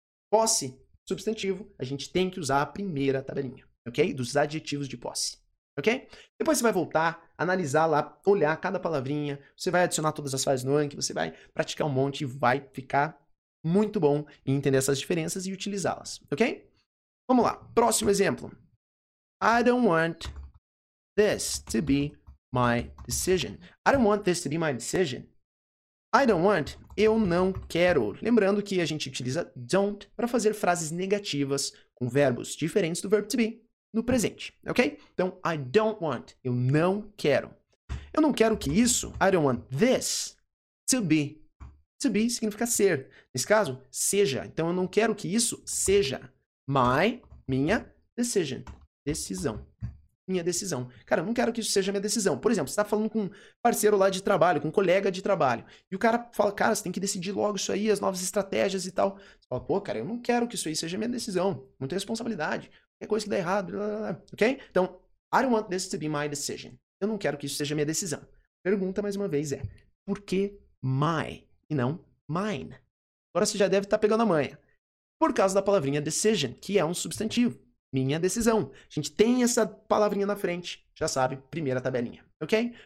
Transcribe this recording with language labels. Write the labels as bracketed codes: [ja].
[pt] Posse, substantivo, a gente tem que usar a primeira tabelinha, ok? Dos adjetivos de posse, ok? Depois você vai voltar, analisar lá, olhar cada palavrinha, você vai adicionar todas as frases no rank, você vai praticar um monte e vai ficar muito bom em entender essas diferenças e utilizá-las, ok? Vamos lá, próximo exemplo. [en] I don't want this to be my decision. I don't want this to be my decision. I don't want, [pt] eu não quero. Lembrando que a gente utiliza don't para fazer frases negativas com verbos diferentes do verbo to be no presente, ok? Então, [en] I don't want, [pt] eu não quero. Eu não quero que isso, [en] I don't want this to be. [pt] To be significa ser. Nesse caso, seja. Então, eu não quero que isso seja minha decision. Minha decisão. Cara, eu não quero que isso seja minha decisão. Por exemplo, você está falando com um parceiro lá de trabalho, com um colega de trabalho, e o cara fala, cara, você tem que decidir logo isso aí, as novas estratégias e tal. Você fala, pô, cara, eu não quero que isso aí seja minha decisão. Muita responsabilidade. Qualquer coisa que dá errado, blá, blá, blá. Ok? [en] Então, I don't want this to be my decision. [pt] Eu não quero que isso seja minha decisão. Pergunta, mais uma vez, é, por que my e não mine? Agora você já deve estar pegando a manha. Por causa da palavrinha decision, que é um substantivo. Minha decisão. A gente tem essa palavrinha na frente, já sabe, primeira tabelinha, ok?